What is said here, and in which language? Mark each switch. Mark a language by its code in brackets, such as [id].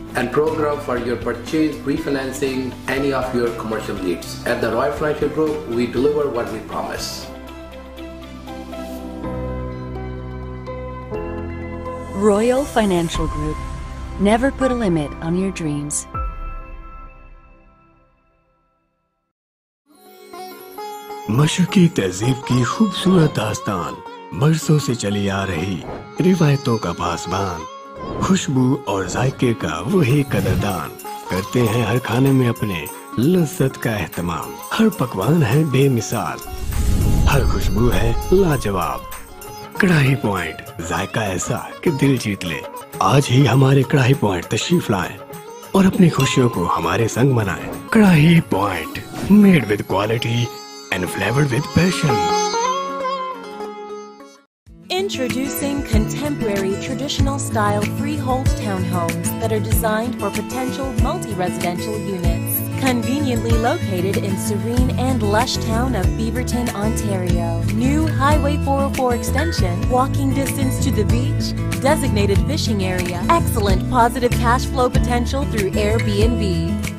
[en] And program for your purchase, refinancing, any of your commercial needs. At the Royal Financial Group, we deliver what we promise. Royal Financial Group. Never put a limit on your dreams. [ur] مشرقی تہذیب کی خوبصورت داستان برسوں سے چلی آ رہی روایتوں کا پاسبان خوشبو اور ذائقے کا وہی قدردان کرتے ہیں ہر کھانے میں اپنے لذت کا اہتمام ہر پکوان ہے بے مثال ہر خوشبو ہے لاجواب کڑاہی پوائنٹ ذائقہ ایسا کہ دل جیت لے آج ہی ہمارے کڑاہی پوائنٹ تشریف لائیں اور اپنی خوشیوں کو ہمارے سنگ منائیں کڑاہی point [en] Made with quality and flavoured with passion Introducing contemporary traditional style freehold townhomes that are designed for potential multi-residential units. Conveniently located in serene and lush town of Beaverton, Ontario. New Highway 404 extension, walking distance to the beach, designated fishing area, excellent positive cash flow potential through Airbnb.